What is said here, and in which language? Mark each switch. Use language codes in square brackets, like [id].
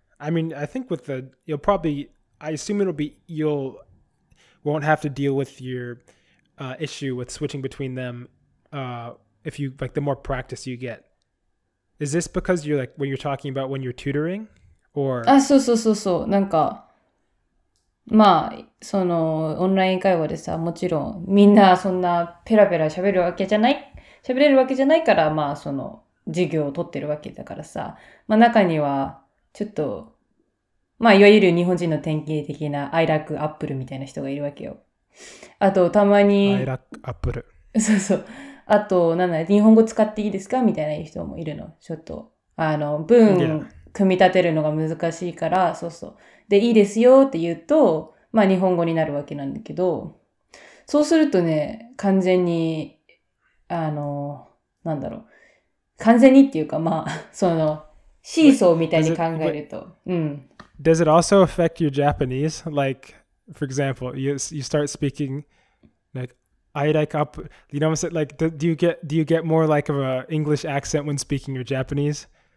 [en] I mean, I think with the, you'll probably, I assume it'll be, you'll, won't have to deal with your issue with switching between them if you, like the more practice you get. Is this because you're like, when you're talking about when you're tutoring? Or? [ja] あ、そうそうそうそう。なんか、まあ、その、オンライン会話でさ、もちろん、みんなそんなペラペラ喋るわけじゃない、喋れるわけじゃないから、まあ、その、授業を取ってるわけだからさ、まあ、中には、ちょっと、まあ、いわゆる日本人の典型的な、 [en] アイラックアップル [ja] みたいな人がいるわけよ。あと、たまに、 [en] アイラックアップル。 [ja] そうそう。あと、なんだ、日本語使っていいですかみたいな人もいるの。ちょっと、文、組み立てるのが難しいから、そうそう。で、いいですよって言うと、まあ、日本語になるわけなんだけど、そうするとね、完全に、なんだろう。完全にっていうか、まあ、その、シーソーみたいに考えると。 [en] Does it also affect your Japanese? Like, for example, you start speaking, like,I like up, you know what I'm saying? Like, do you get more like of a English accent when speaking your Japanese?